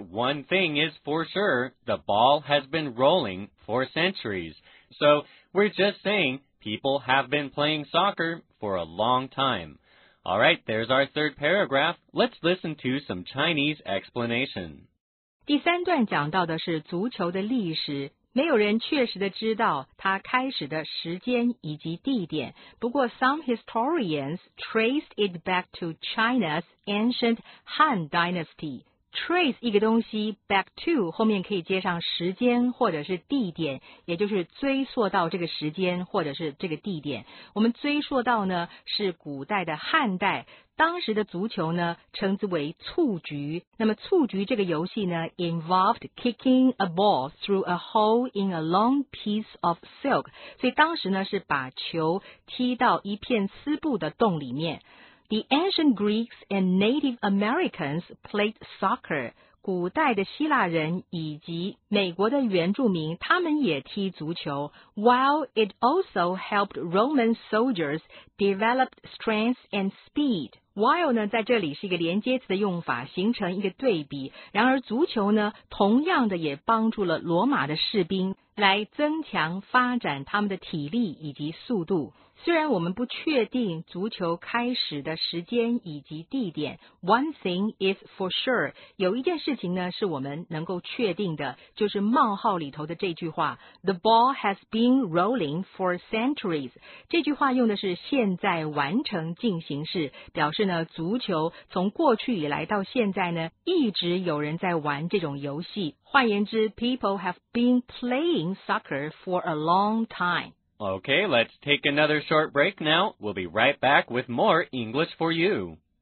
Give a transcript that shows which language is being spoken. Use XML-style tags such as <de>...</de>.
<en>One thing is for sure, the ball has been rolling for centuries. So we're just saying people have been playing soccer for a long time. All right, there's our third paragraph. Let's listen to some Chinese explanation.</en> <zh>第三段讲到的是足球的历史。没有人确实的知道它开始的时间以及地点。不过</zh> <en>some historians traced it back to China's ancient Han dynasty.</en> <zh>Trace 一个东西</zh> <en>back to</en> <zh>后面可以接上时间或者是地点，也就是追溯到这个时间或者是这个地点。我们追溯到呢是古代的汉代，当时的足球呢称之为蹴鞠。那么蹴鞠这个游戏呢</zh> <en>involved kicking a ball through a hole in a long piece of silk，</en> <zh>所以当时呢是把球踢到一片丝布的洞里面。</zh> <en>The ancient Greeks and Native Americans played soccer.</en> <zh>古代的希腊人以及美国的原住民他们也踢足球。</zh> <en>While it also helped Roman soldiers develop strength and speed.</en> <zh>While 呢在这里是一个连接词的用法，形成一个对比。然而足球呢同样的也帮助了罗马的士兵来增强发展他们的体力以及速度。虽然我们不确定足球开始的时间以及地点，</zh> <en>One thing is for sure，</en> <zh>有一件事情呢是我们能够确定的，就是冒号里头的这句话</zh> <en>The ball has been rolling for centuries，</en> <zh>这句话用的是现在完成进行式，表示呢足球从过去以来到现在呢一直有人在玩这种游戏。换言之，</zh> <en>People have been playing soccer for a long time。 Okay, let's take another short break now. We'll be right back with more English for you.</en>